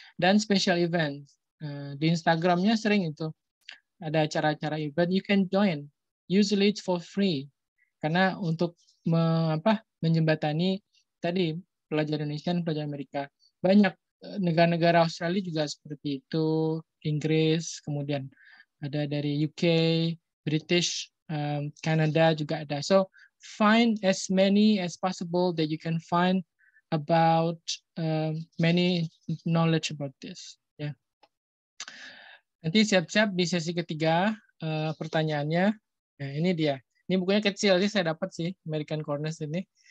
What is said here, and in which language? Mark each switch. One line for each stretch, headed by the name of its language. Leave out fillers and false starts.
Indonesian: Dan special event, di Instagramnya sering itu, ada acara-acara event,
English: you can join, usually it's for free,
Indonesian: karena untuk menjembatani tadi pelajar Indonesia dan pelajar Amerika, banyak. Negara-negara Australia juga seperti itu, Inggris, kemudian ada dari UK, British, Canada juga ada.
English: So find as many as possible that you can find about many knowledge about this. Yeah.
Indonesian: Nanti siap-siap di sesi ketiga pertanyaannya. Nah, ini dia. Ini bukunya kecil sih, saya dapat sih American Corners ini.